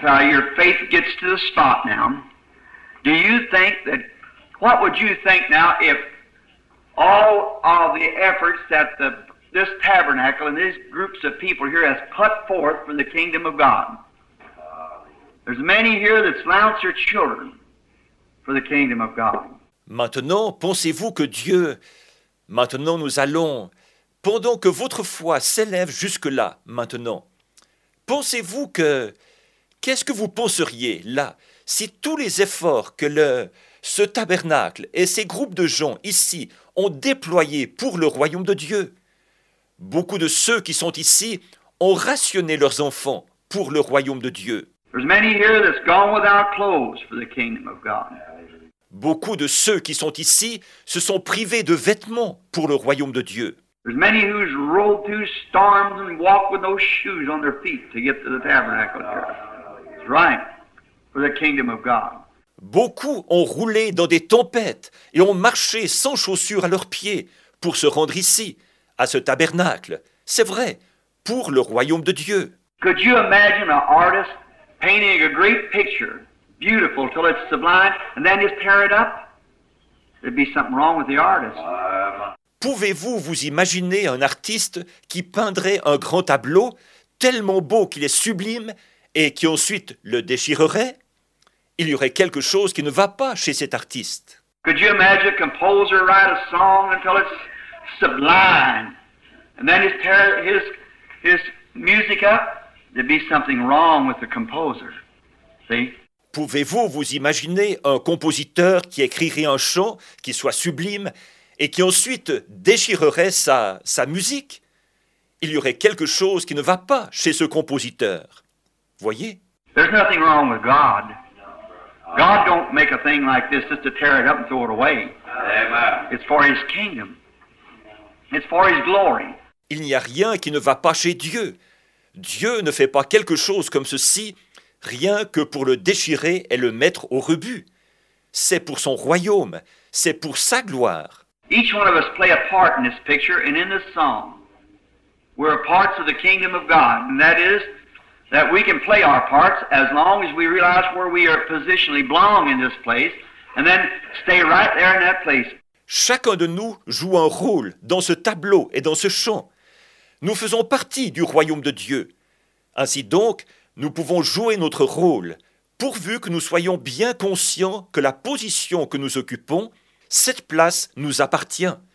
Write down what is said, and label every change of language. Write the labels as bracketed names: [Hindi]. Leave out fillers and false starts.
[English] your faith gets to the spot now. Do you think that... What would you think now if all of the efforts that this tabernacle and these groups of people here has put forth for the kingdom of God? There's many here that's lounged their children. For the kingdom of God. [French] Maintenant, pensez-vous que Dieu... Maintenant, nous allons... Pendant que votre foi s'élève jusque-là, maintenant, pensez-vous que... Qu'est-ce que vous penseriez, là, si tous les efforts que ce tabernacle et ces groupes de gens, ici, ont déployés pour le royaume de Dieu? Beaucoup de ceux qui sont ici ont rationné leurs enfants pour le royaume de Dieu. [English] There's many here that's gone without clothes for the kingdom of God. [French] Beaucoup de ceux qui sont ici se sont privés de vêtements pour le royaume de Dieu. [English] There's many who's rolled through storms and walked with no shoes on their feet to get to the tabernacle here. That's right, for the kingdom of God. [French] Beaucoup ont roulé dans des tempêtes et ont marché sans chaussures à leurs pieds pour se rendre ici, à ce tabernacle. C'est vrai, pour le royaume de Dieu. [English] Could you imagine an artist painting a great picture, beautiful, till it's sublime, and then just tear it up? There'd be something wrong with the artist. [French] Pouvez-vous vous imaginer un artiste qui peindrait un grand tableau tellement beau qu'il est sublime et qui ensuite le déchirerait? Il y aurait quelque chose qui ne va pas chez cet artiste. [English] Could you imagine a composer write a song until it's sublime, and then just tear his music up? There'd be something wrong with the composer. See? [French] Pouvez-vous vous imaginer un compositeur qui écrirait un chant qui soit sublime et qui ensuite déchirerait sa musique? Il y aurait quelque chose qui ne va pas chez ce compositeur. Voyez? [English] There's nothing wrong with God. God don't make a thing like this just to tear it up and throw it away. It's for his kingdom. It's for his glory. [French] Il n'y a rien qui ne va pas chez Dieu. Dieu ne fait pas quelque chose comme ceci, rien que pour le déchirer et le mettre au rebut. C'est pour son royaume, c'est pour sa gloire. [English] Each one of us play a part in this picture and in this song. We're a parts of the kingdom of God, and that is that we can play our parts as long as we realize where we are positionally belong in this place, and then stay right there in that place. [French] Chacun de nous joue un rôle dans ce tableau et dans ce chant. Nous faisons partie du royaume de Dieu. Ainsi donc, nous pouvons jouer notre rôle, pourvu que nous soyons bien conscients que la position que nous occupons, cette place nous appartient.